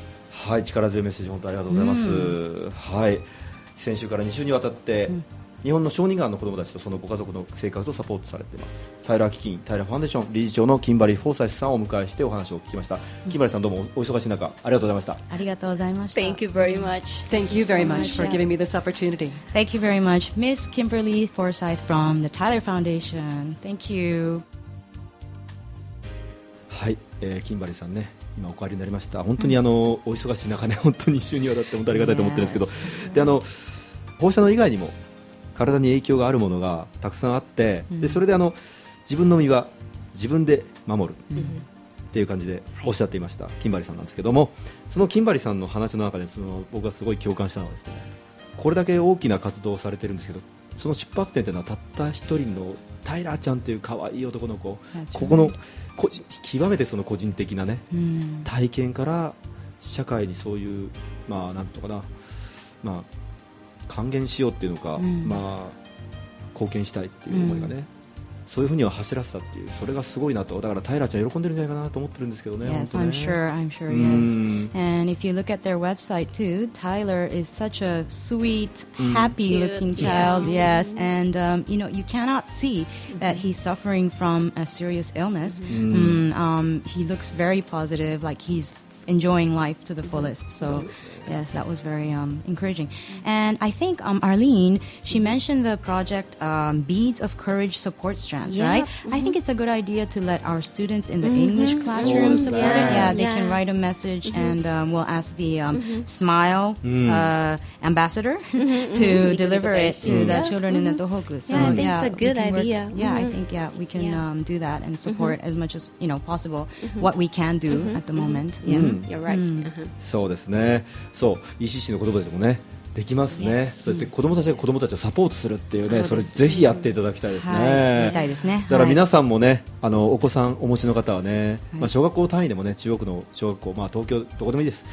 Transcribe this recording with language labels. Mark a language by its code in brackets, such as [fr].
[ja] はい、力強いメッセージ本当にありがとうございます、うん、はい、先週から2週にわたって、うん、日本の小児がんの子どもたちとそのご家族の生活をサポートされています、タイラー基金タイラーファンデーション理事長のキンバリー・フォーサイスさんをお迎えしてお話を聞きました、うん、キンバリーさんどうもお忙しい中ありがとうございました。ありがとうございました。 [en] Thank you very much. Thank you very much for giving me this opportunity. Thank you very much, Miss Kimberly Forsyth from the Tyler Foundation. Thank you. [ja] はい、キンバリーさんね今お帰りになりました。本当にあの、うん、お忙しい中ね本当に週にわたって本当にありがたいと思ってるんですけど、yes. であの放射能以外にも体に影響があるものがたくさんあって、うん、でそれであの自分の身は自分で守るっていう感じでおっしゃっていました、うん、キンバリさんなんですけども、そのキンバリさんの話の中でその僕がすごい共感したのはですね、これだけ大きな活動をされてるんですけどその出発点というのはたった一人のタイラーちゃんという可愛い男の子、ここの個人極めてその個人的なね、うん、体験から社会にそういうまあなんとかなまあ還元しようっていうのか、うん、まあ貢献したいっていう思いがね、うん、そういうふうには走らせたっていう、それがすごいなと、だからタイラーちゃん喜んでるんじゃないかなと思ってるんですけどね。本当ね、 [en] I'm sure, I'm sure, yes. And if you look at their website too, Tyler is such a sweet, happy looking child, yes. And you know, you cannot see that he's suffering from a serious illness. He looks very positive, like he's enjoying life to the fullest. So, yes, that was very encouraging. And I think Arlene, she mentioned the project Beads of Courage Support Strands, yeah. right? Mm-hmm. I think it's a good idea to let our students in the mm-hmm. English classroom so support bad. it. Yeah, they yeah. can write a message mm-hmm. and we'll ask the Smile ambassador to deliver it to the children in the Tohoku. So, yeah, I think it's a good idea. Yeah, I think, yeah, we can do that and support as much as you know, possible what we can do at the moment. Yeah. You're right. [ja] そうですね、そう ECC の子どもたちもねできますね、 [en] yes. [ja] そうやって子どもたちが子どもたちをサポートするっていうね、それぜひやっていただきたいですね、はい、ですね、だから皆さんもねあのお子さんお持ちの方はね、まあ、小学校単位でもね中国の小学校、まあ、東京どこでもいいです、